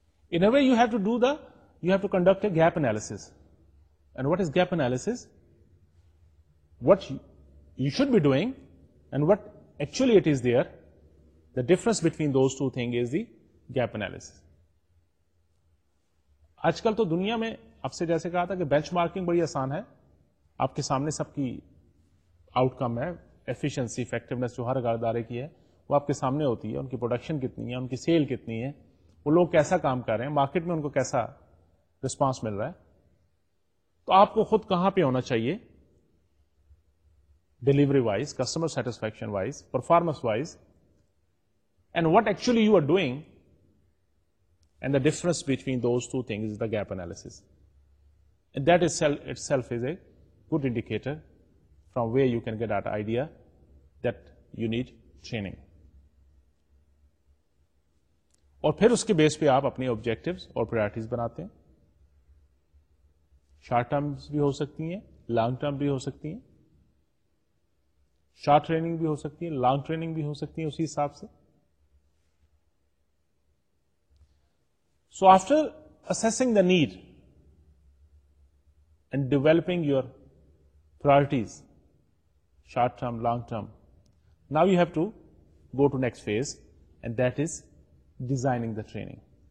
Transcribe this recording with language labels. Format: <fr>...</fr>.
<en>In a way, you have to conduct a gap analysis. And what is gap analysis? What you should be doing and what actually it is there, the difference between those two things is the gap analysis.</en> <ur>آج کل تو دنیا میں آپ سے جیسے کہا تھا کہ بینچ مارکنگ بڑی آسان ہے, آپ کے سامنے سب کی آؤٹ کم ہے, ایفیشنسی افیکٹونیس جو ہر اداره کی ہے وہ آپ کے سامنے ہوتی ہے, ان کی پروڈکشن کتنی ہے, ان کی سیل کتنی ہے, وہ لوگ کیسا کام کر رہے ہیں, مارکیٹ میں ان کو کیسا رسپانس مل رہا ہے. تو آپ کو خود کہاں پہ ہونا چاہیے</ur> <en>Delivery wise, customer satisfaction wise, performance wise, and what actually you are doing, and the difference between those two things is the gap analysis. That is itself is a good indicator from where you can get that idea that you need training.</en> <ur>اور پھر اس کے بیس پہ آپ اپنے objectives اور priorities بناتے ہیں, short terms بھی ہو سکتی ہیں, long term بھی ہو سکتی ہیں, short training بھی ہو سکتی ہے, long training بھی ہو سکتی ہے اسی حساب سے.</ur> <en>So after assessing the need and developing your priorities, short term, long term, now you have to go to next phase, and that is designing the training.</en>